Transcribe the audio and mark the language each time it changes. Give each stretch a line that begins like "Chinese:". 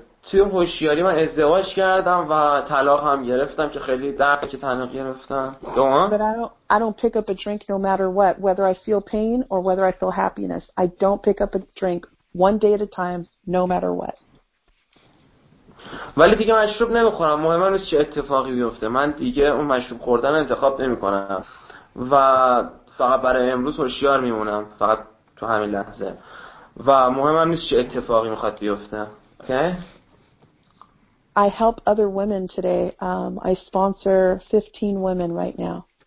Persian: توی هوشیاری من ازدواج کردم و طلاق هم گرفتم که خیلی دردی که طلاق گرفتم.
English: But I don't pick up a drink no matter what, whether I feel pain or whether I feel happiness. I don't pick up a drink one day at a time, no matter what.
Persian: ولی دیگه مشروب نمیخورم، مهم نیست چه اتفاقی بیفته، من دیگه اون مشروب خوردن انتخاب نمیکنم و فقط برای امروز هوشیار میمونم، فقط تو همین لحظه و مهم نیست چه اتفاقی میخواد بیفته.
English: Okay? I help other women today. I sponsor 15 women right now.